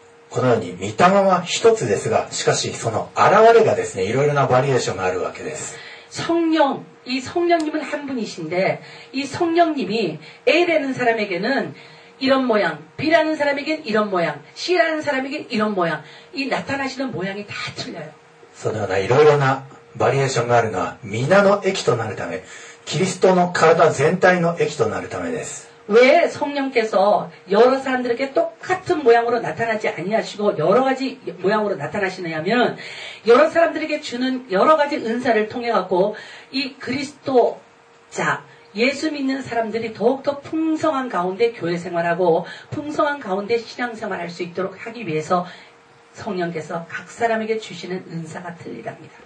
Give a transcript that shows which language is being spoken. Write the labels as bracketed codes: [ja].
[ja] このように御霊は一つですが、しかしその現れがですね、いろいろなバリエーションがあるわけです。 [ko] 성령、이성령님은한분이신데、이성령님이 A 라는사람에게는이런모양、B 라는사람에게는이런모양、C 라는사람에게는이런모양、이나타나시는모양이다틀려요。 [ja] そのようないろいろなバリエーションがあるのは、皆の益となるため、キリストの体全体の益となるためです。 [ko] 왜성령께서여러사람들에게똑같은모양으로나타나지아니하시고여러가지모양으로나타나시느냐면여러사람들에게주는여러가지은사를통해갖고이그리스도자예수믿는사람들이더욱더풍성한가운데교회생활하고풍성한가운데신앙생활할수있도록하기위해서성령께서각사람에게주시는은사가틀리답니다。